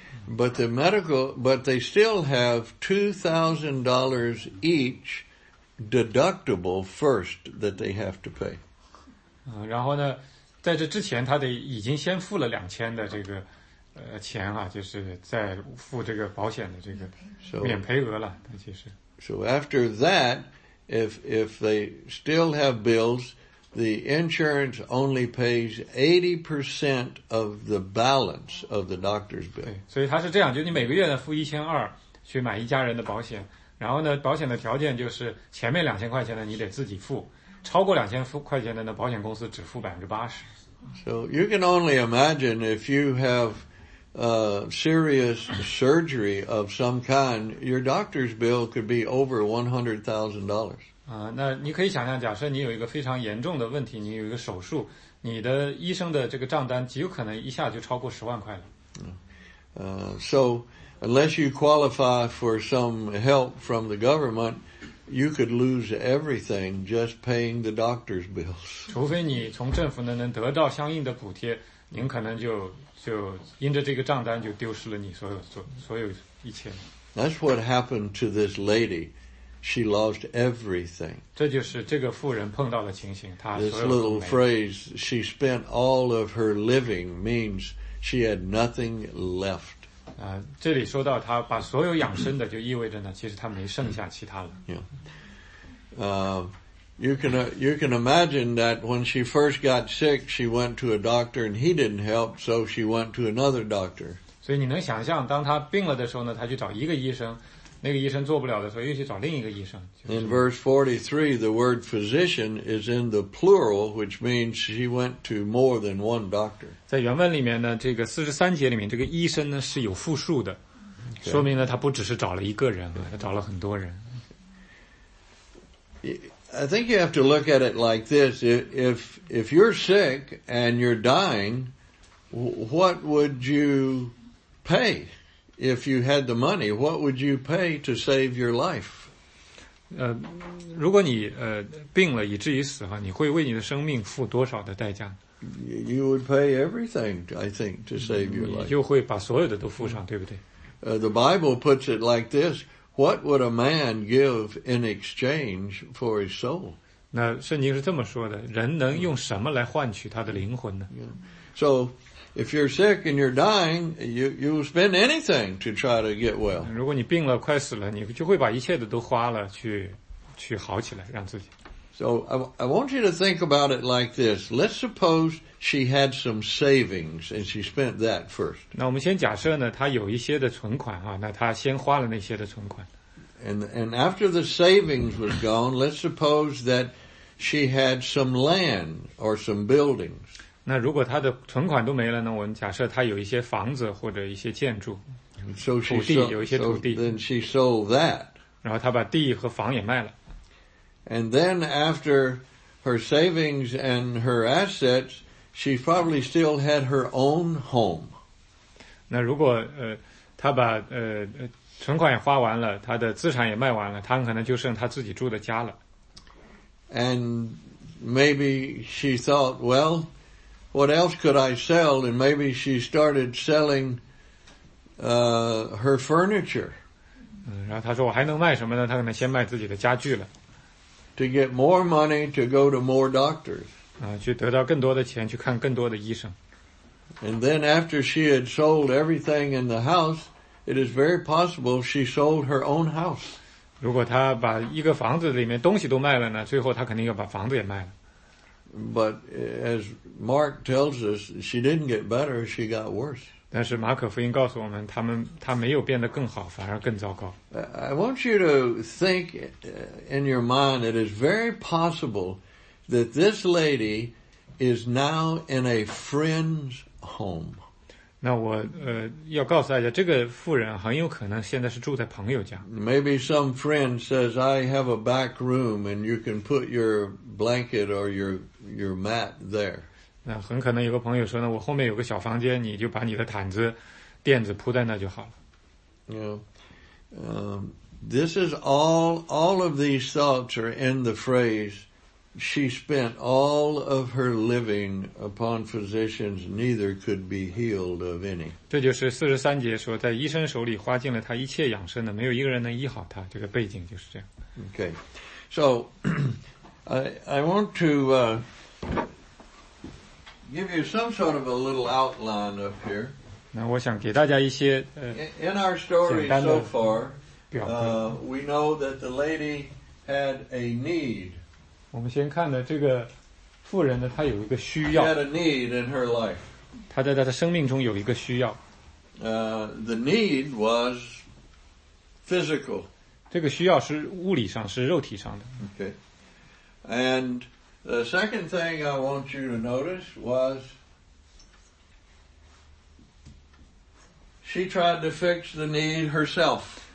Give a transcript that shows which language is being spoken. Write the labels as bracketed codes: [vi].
[en] But they still have $2,000 each deductible first that they have to pay. [zh] 然后呢在这之前他得已经先付了2000的这个钱啊，就是在付这个保险的这个免赔额了，但其实。 [en] So after that, if they still have bills, the insurance only pays 80% of the balance of the doctor's bill. [zh] 所以他是这样，就你每个月呢付1200去买一家人的保险，然后呢保险的条件就是前面2000块钱呢你得自己付。超过2000块钱的呢，保险公司只付80%。 [en] So you can only imagine if you have serious surgery of some kind, your doctor's bill could be over $100,000. [zh] 那你可以想象，假设你有一个非常严重的问题，你有一个手术，你的医生的这个账单极有可能一下就超过100,000块了。 [en] So unless you qualify for some help from the government. You could lose everything just paying the doctor's bills. [zh] 除非你从政府呢能得到相应的补贴，您可能就因着这个账单就丢失了你所有一切。 [en] That's what happened to this lady. She lost everything. [zh] 这就是这个妇人碰到的情形，她所有都没了。 [en] This little phrase, she spent all of her living, means she had nothing left. [zh] 啊，这里说到她把所有养生的，就意味着呢，其实她没剩下其他了。 [en] Yeah. You can imagine that when she first got sick, she went to a doctor and he didn't help, so she went to another doctor. [zh] 所以你能想象，当她病了的时候呢，她去找一个医生。那个医生做不了的时候，又去找另一个医生。 [en] In verse 43, the word physician is in the plural, which means she went to more than one doctor. [zh] 在原文里面呢，这个43节里面，这个医生呢是有复数的，说明呢他不只是找了一个人，他找了很多人。 [en] I think you have to look at it like this. If you're sick and you're dying, what would you pay? If you had the money, what would you pay to save your life? [zh] 如果你病了以至于死哈，你会为你的生命付多少的代价？ [en] You would pay everything, I think, to save your life. [zh] 你就会把所有的都付上，对不对？ [en] The Bible puts it like this: What would a man give in exchange for his soul? [zh] 那圣经是这么说的：人能用什么来换取他的灵魂呢？ [en] So. If you're sick and you're dying, you will spend anything to try to get well. [zh] 如果你病了快死了，你就会把一切的都花了去好起来，让自己。 [en] So I want you to think about it like this. Let's suppose she had some savings and she spent that first. [zh] 那我们先假设呢，她有一些的存款啊，那她先花了那些的存款。 [en] And after the savings was gone, let's suppose that she had some land or some buildings. [zh] 那如果他的存款都没了呢？我们假设他有一些房子或者一些建筑， [en] so、 [zh] 土地有一些土地。 [en] So、then she sold that. [zh] 然后他把地和房也卖了。 [en] And then after her savings and her assets, she probably still had her own home. [zh] 那如果他把存款也花完了，他的资产也卖完了，他可能就剩他自己住的家了。 [en] And maybe she thought, well. What else could I sell? And maybe she started selling, her furniture. [zh] 然后她说我还能卖什么呢？她可能先卖自己的家具了。 [en] To get more money to go to more doctors. [zh] 去得到更多的钱，去看更多的医生。 [en] And then after she had sold everything in the house, it is very possible she sold her own house. [zh] 如果她把一个房子里面东西都卖了呢，最后她肯定要把房子也卖了。 [en] But as Mark tells us, she didn't get better; she got worse. [zh] 但是马可福音告诉我们，他没有变得更好，反而更糟糕。 [en] I want you to think in your mind: it is very possible that this lady is now in a friend's home. [zh] 那我要告诉大家，这个妇人很有可能现在是住在朋友家。 [en] Maybe some friend says, "I have a back room, and you can put your blanket or your mat there." [zh] 那很可能有个朋友说呢，我后面有个小房间，你就把你的毯子、垫子铺在那就好了。 [en] You know, this is all of these thoughts are in the phrase, "She spent all of her living upon physicians; neither could be healed of any." [zh] 这就是四十三节说，在医生手里花尽了他一切养生的，没有一个人能医好他。这个背景就是这样。 [en] Okay, so. I want to give you some sort of a little outline up here. [zh] 那我想给大家一些 [en] In our story so far, we know that the lady had a need. [zh] 我们先看的这个妇人呢，她有一个需要。 [en] She had a need in her life. [zh] 她在她的生命中有一个需要。 [en] The need was physical. [zh] 这个需要是物理上，是肉体上的。 [en] Okay. And the second thing I want you to notice was she tried to fix the need herself.